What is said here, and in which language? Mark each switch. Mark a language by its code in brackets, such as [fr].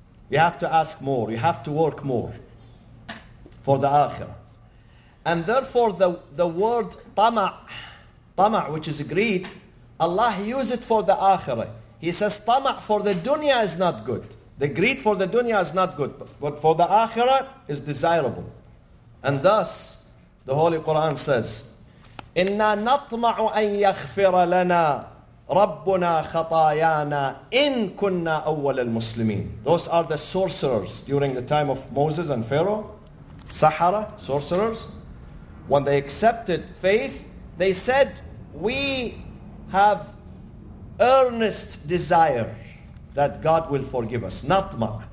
[en] You have to ask more. You have to work more for the akhirah. And therefore the word tama', which is greed, Allah used it for the akhirah. He says tama' for the dunya is not good. The greed for the dunya is not good, but for the akhirah is desirable. And thus, the Holy Quran says, [ar] إِنَّا نَطْمَعُ أَن يَغْفِرَ لَنَا رَبُّنَا خَطَايَانَا إِن كُنَّا أَوَّلَ الْمُسْلِمِينَ. [en] Those are the sorcerers during the time of Moses and Pharaoh, Sahara, sorcerers. When they accepted faith, they said, we have earnest desire that God will forgive us. [ar] نَطْمَع.